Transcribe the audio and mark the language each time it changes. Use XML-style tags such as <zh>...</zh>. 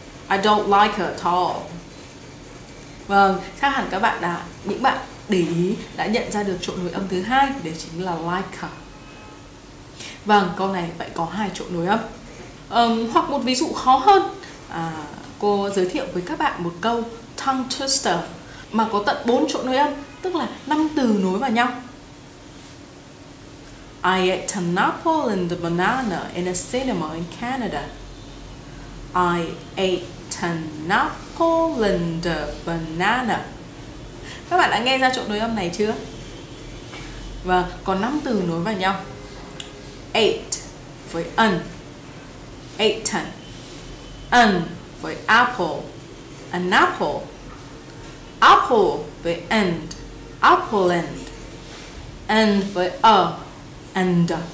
<en>I don't like her at all.</en> <vi>Vâng, chắc hẳn các bạn đã, những bạn để ý đã nhận ra được chỗ nối âm thứ hai, đấy chính là like her. Vâng, câu này phải có hai chỗ nối âm. Hoặc một ví dụ khó hơn, cô giới thiệu với các bạn một câu tongue twister mà có tận 4 chỗ nối âm, tức là 5 từ nối vào nhau.</vi> <en>I ate an apple and a banana in a cinema in Canada. I ate an apple and a banana.</en> <vi>Các bạn đã nghe ra chỗ nối âm này chưa? Và có 5 từ nối vào nhau. Ate với an, ate an, an với apple, an apple, apple với and, apple and với a, and.</vi>